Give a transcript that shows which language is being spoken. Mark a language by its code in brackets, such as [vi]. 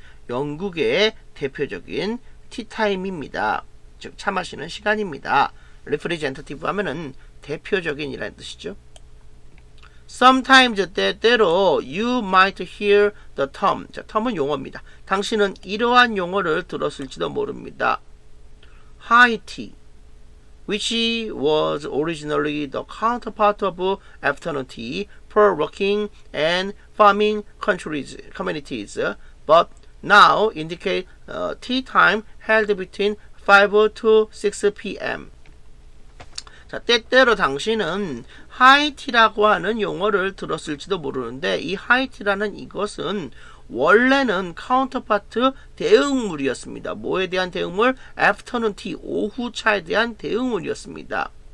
[ko] 영국의 대표적인 티타임입니다. 즉, 차 마시는 시간입니다. [en] representative [ko] 하면은 대표적인이라는 뜻이죠. [en] Sometimes, [ko] 때때로 [en] you might hear the term. [ko] 자, term은 용어입니다. 당신은 이러한 용어를 들었을지도 모릅니다. [en] high tea, which was originally the counterpart of afternoon tea for working and farming communities, but now indicate tea time held between 5 to 6 p.m. [ko] 자, 때때로 당신은 하이티라고 하는 용어를 들었을지도 모르는데 이 하이티라는 이것은 원래는 카운터파트 대응물이었습니다. 뭐에 대한 대응물? 애프터눈 티, 오후차에 대한 대응물이었습니다.